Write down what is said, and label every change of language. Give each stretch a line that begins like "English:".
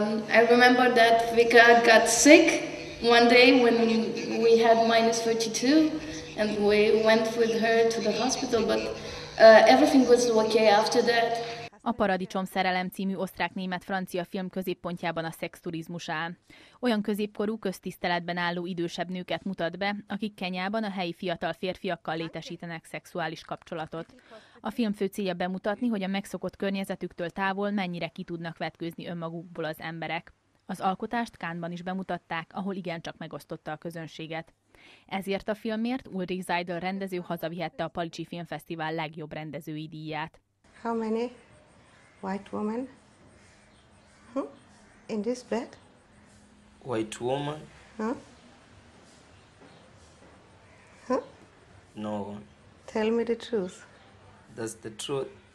English: I remember that Vika got sick one day when we had minus 32. And we went with her to the hospital, but everything was okay after that.
Hungarian: A Paradicsom szerelem című osztrák-német-francia film középpontjában a szexturizmus áll. Olyan középkorú, köztiszteletben álló idősebb nőket mutat be, akik Kenyában a helyi fiatal férfiakkal létesítenek szexuális kapcsolatot. A film fő célja bemutatni, hogy a megszokott környezetüktől távol mennyire ki tudnak vetkőzni önmagukból az emberek. Az alkotást Cannes-ban is bemutatták, ahol igencsak megosztotta a közönséget. Ezért a filmért Ulrich Seidel rendező hazavihette a Palicsi Filmfesztivál legjobb rendezői díját.
English: How many white women in this bed? White woman? No one. Tell me the truth. That's the truth.